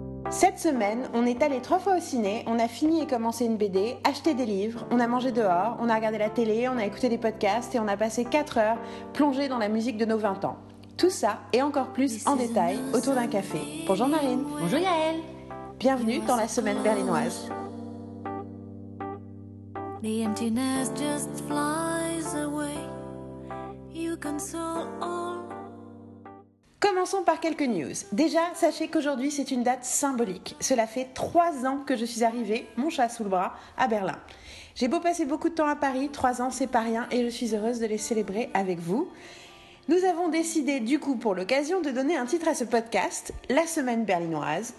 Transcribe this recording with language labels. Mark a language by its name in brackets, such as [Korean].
[French] Cette semaine, on est allé 3 fois au ciné, on a fini et commencé une BD, acheté des livres, on a mangé dehors, on a regardé la télé, on a écouté des podcasts et on a passé 4 heures plongés dans la musique de nos 20 ans. Tout ça et encore plus en détail autour d'un café. Bonjour Marine. Bonjour Yaël. Bienvenue dans la semaine berlinoise. [English] The emptiness just flies away. You console all. [French] Commençons par quelques news. Déjà, sachez qu'aujourd'hui, c'est une date symbolique. Cela fait 3 ans que je suis arrivée, mon chat sous le bras, à Berlin. J'ai beau passer beaucoup de temps à Paris, 3 ans, c'est pas rien, et je suis heureuse de les célébrer avec vous. Nous avons décidé, du coup, pour l'occasion, de donner un titre à ce podcast, La Semaine Berlinoise.